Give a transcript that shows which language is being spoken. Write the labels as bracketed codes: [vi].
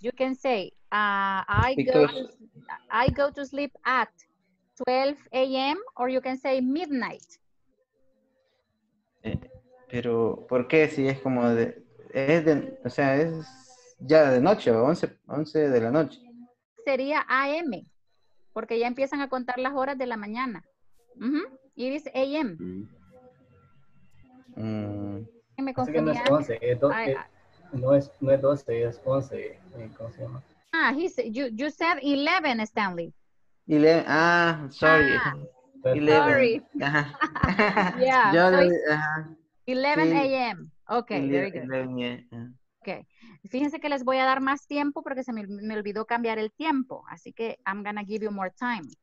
[en] You can say, I go to sleep at 12 a.m. or you can say midnight. [es] Pero, ¿por qué si es como de, es de, o sea, es ya de noche, 11 de la noche? Sería a.m. porque ya empiezan a contar las horas de la mañana. [en] Uh-huh. It is a.m. Mm. [es] Me confundí. No es 12, es 11. ¿Cómo se llama? [en] Ah, you said 11, Stanley. 11, ah, sorry. Ah, 11. Sorry. Ajá. Yeah, sorry. Yeah. 11 a.m. Ok, very good. Okay. [es] Fíjense que les voy a dar más tiempo porque se me olvidó cambiar el tiempo. Así que [en] I'm going to give you more time.